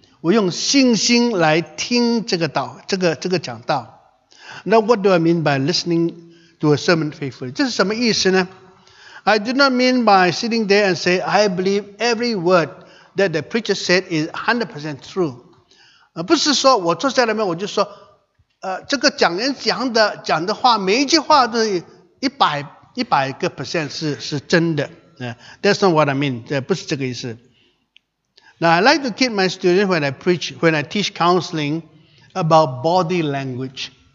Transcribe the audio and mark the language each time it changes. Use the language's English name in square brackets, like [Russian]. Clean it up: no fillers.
[Chinese] 我用信心来听这个讲道。 [English] Now, what do I mean by listening to a sermon faithfully? [Chinese] 这是什么意思呢？ [English] I do not mean by sitting there and say, I believe every word that the preacher said is 100% true. [Chinese] 不是说我坐在那边我就说，这个讲人讲的话，每一句话都是100% 是真的。 [English] That's not what I mean. [Chinese] 不是这个意思。 [English] Now, I like to keep my students when I preach, when I teach counseling about body language.